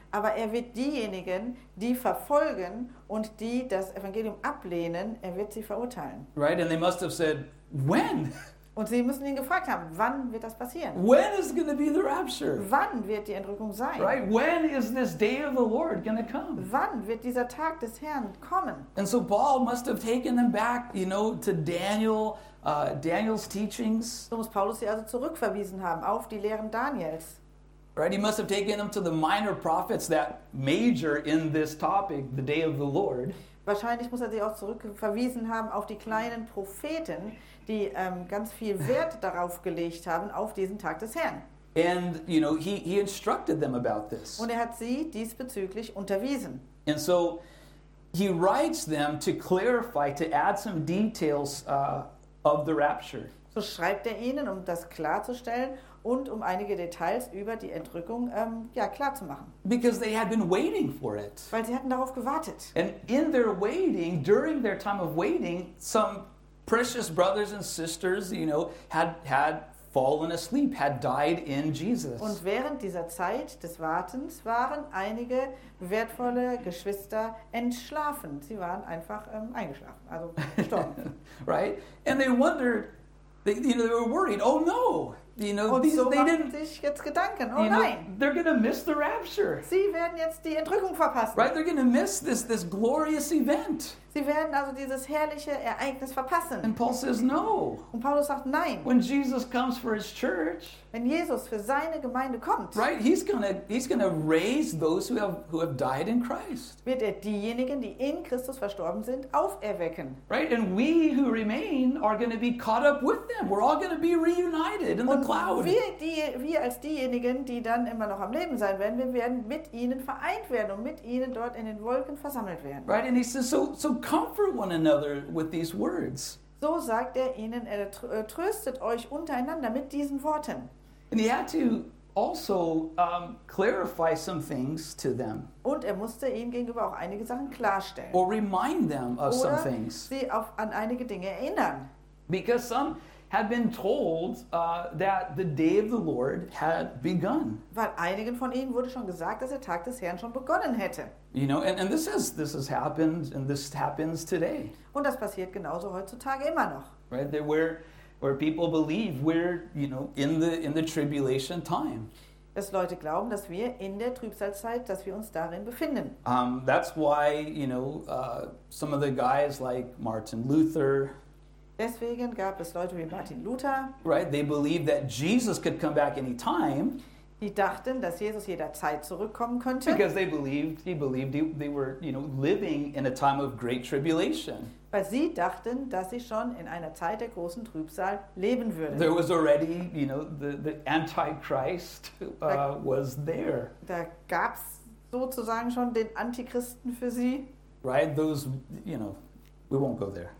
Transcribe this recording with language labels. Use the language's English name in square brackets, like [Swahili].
[German] Aber er wird diejenigen, die verfolgen und die das Evangelium ablehnen, er wird sie verurteilen. [English] Right, and they must have said, when? [German] Und sie müssen ihn gefragt haben, wann wird das passieren? [English] When is going to be the rapture? [German] Wann wird die Entrückung sein? [English] Right? When is this day of the Lord going to come? [German] Wann wird dieser Tag des Herrn kommen? [English] And so Paul must have taken them back, you know, to Daniel's teachings. [German] So muss Paulus sie also zurückverwiesen haben auf die Lehren Daniels. [English] Right? He must have taken them to the minor prophets that major in this topic, the day of the Lord. [German] Wahrscheinlich muss er sie auch zurückverwiesen haben auf die kleinen Propheten, die ganz viel Wert darauf gelegt haben, auf diesen Tag des Herrn. [English] And, you know, he instructed them about this. [German] Und er hat sie diesbezüglich unterwiesen. [English] And so he writes them to clarify, to add some details of the rapture. [German] So schreibt er ihnen, um das klarzustellen und um einige Details über die Entrückung klarzumachen. [English] Because they had been waiting for it. [German] Weil sie hatten darauf gewartet. [English] And in their waiting, during their time of waiting, some precious brothers and sisters, you know, had fallen asleep, had died in Jesus. [German] Und während dieser Zeit des Wartens waren einige wertvolle Geschwister entschlafen. Sie waren einfach eingeschlafen, also gestorben. [English] Right? And they wondered, they were worried, oh no! You know, [German] und [English] these, [German] so [English] they didn't, [German] sich jetzt Gedanken, oh nein! [English] Know, they're going to miss the rapture. [German] Sie werden jetzt die Entrückung verpassen. [English] Right? They're going to miss this glorious event. [German] Sie werden also dieses herrliche Ereignis verpassen. [English] And Paul says no. [German] Und Paulus sagt nein. [English] When Jesus comes for his church, [German] wenn Jesus für seine Gemeinde kommt, [English] right, he's gonna raise those who have died in Christ. [German] Wird er diejenigen, die in Christus verstorben sind, auferwecken. [English] Right, and we who remain are gonna be caught up with them. We're all gonna be reunited in [German] und [English] the cloud. [German] Wir als diejenigen, die dann immer noch am Leben sein werden, wir werden mit ihnen vereint werden und mit ihnen dort in den Wolken versammelt werden. [English] Right, and he says so comfort one another with these words. [German] So sagt er ihnen, er tröstet euch untereinander mit diesen Worten. [English] And he had to also clarify some things to them. [German] Und er musste ihnen gegenüber auch einige Sachen klarstellen. [English] Or remind them of [German] oder [English] some things. [German] Sie an einige Dinge erinnern. [English] Because some had been told that the day of the Lord had begun. [German] Weil einigen von ihnen wurde schon gesagt, dass der Tag des Herrn schon begonnen hätte. [English] You know, and this has happened, and this happens today. [German] Und das passiert genauso heutzutage immer noch. [English] Right, there where people believe we're, you know, in the tribulation time. [German] Dass Leute glauben, dass wir in der Trübsalzeit, dass wir uns darin befinden. [English] That's why, you know, some of the guys like Martin Luther. [German] Deswegen gab es Leute wie Martin Luther. [English] Right, they believed that Jesus could come back any time. [German] Die dachten, dass Jesus jederzeit zurückkommen könnte. [English] Because they believed they were, you know, living in a time of great tribulation. [German] Weil sie dachten, dass sie schon in einer Zeit der großen Trübsal leben würden. [English] There was already, you know, the Antichrist was there. [German] Da gab's sozusagen schon den Antichristen für sie. [English] Right, those, you know, we won't go there.